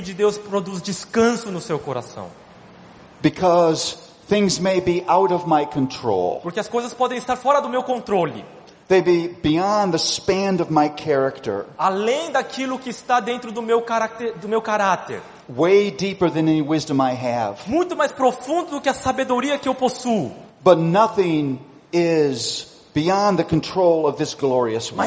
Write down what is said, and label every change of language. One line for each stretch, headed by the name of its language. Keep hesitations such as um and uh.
Portuguese: de Deus produz descanso no seu coração.
English: Because things may be out of my control.
Portuguese: Porque as coisas podem estar fora do meu controle.
English: They be beyond the span of my character.
Portuguese: Além daquilo que está dentro do meu caráter, do meu caráter.
English: Way deeper than any wisdom I have.
Portuguese: Muito mais profundo do que a sabedoria que eu possuo.
English: But nothing is Beyond the control of this glorious one.